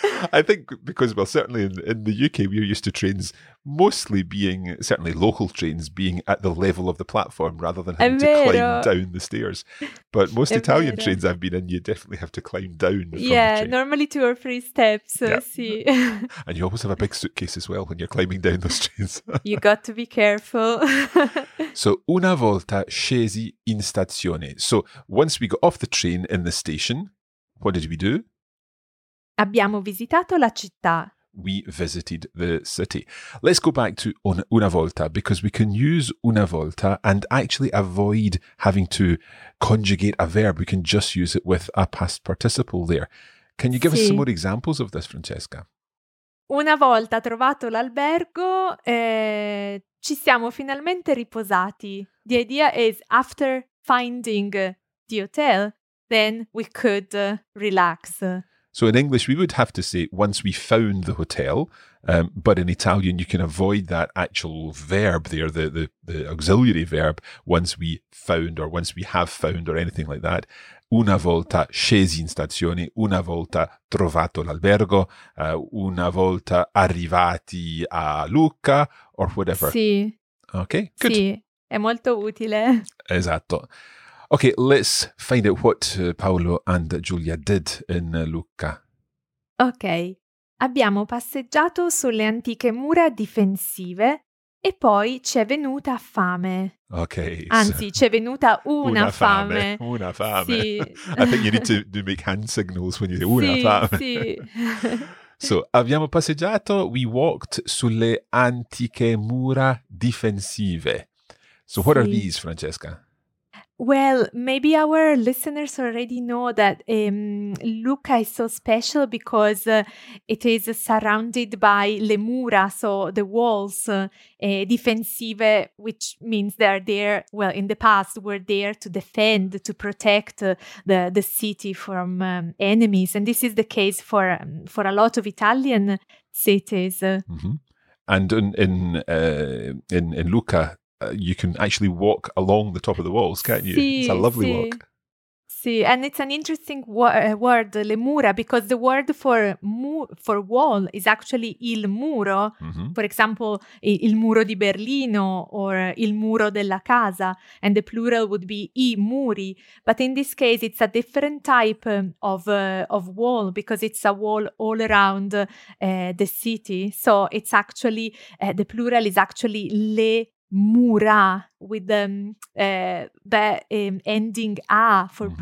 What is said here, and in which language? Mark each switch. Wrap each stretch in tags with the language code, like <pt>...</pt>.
<en>I think because, well, certainly in the UK, we're used to trains mostly being, certainly local trains, being at the level of the platform rather than having to climb down the stairs. But most Italian trains I've been in, you definitely have to climb down. Yeah, the train. Normally 2 or 3 steps. Yeah. Sì. And you always have a big suitcase as well when you're climbing down those trains. You got to be careful.</en> <it>So, una volta scesi in stazione.</it> <en>So, once we got off the train in the station, what did we do?</en> <it>Abbiamo visitato la città.</it> <en>We visited the city. Let's go back to una volta, because we can use una volta and actually avoid having to conjugate a verb. We can just use it with a past participle there. Can you give</en> <it>sì.</it> <en>us some more examples of this, Francesca?</en> <it>Una volta trovato l'albergo, ci siamo finalmente riposati.</it> <en>The idea is after finding the hotel, then we could relax. So in English, we would have to say, once we found the hotel, but in Italian, you can avoid that actual verb there, the auxiliary verb, once we found or once we have found or anything like that.</en> <it>Una volta scesi in stazione, una volta trovato l'albergo, una volta arrivati a Lucca, or whatever. Sì.</it> <en>Okay, good.</en> <it>Sì, è molto utile. Esatto.</it> <en>Okay, let's find out what Paolo and Giulia did in Lucca.</en> <it>Okay, abbiamo passeggiato sulle antiche mura difensive E poi ci è venuta fame. Ok. Anzi, ci è venuta una fame. Una fame. Sì.</it> <en>I think you need to make hand signals when you say una fame.</en> <it>Sì. So, abbiamo passeggiato. We walked sulle antiche mura difensive.</it> <en>So, what are these, Francesca? Well, maybe our listeners already know that Lucca is so special because it is surrounded by le mura, so the walls, difensive, which means they are there, well, in the past were there to defend, to protect the city from enemies. And this is the case for a lot of Italian cities. Mm-hmm. And in Lucca, you can actually walk along the top of the walls, can't you?</en> <it>Sì,</it> <en>it's a lovely</en> <it>sì.</it> <en>walk. Sì, and it's an interesting word, le mura, because the word for wall is actually il muro. Mm-hmm. For example, il muro di Berlino or il muro della casa, and the plural would be i muri. But in this case, it's a different type of wall because it's a wall all around the city. So it's actually the plural is actually le mura with the ending a for mm-hmm.</en>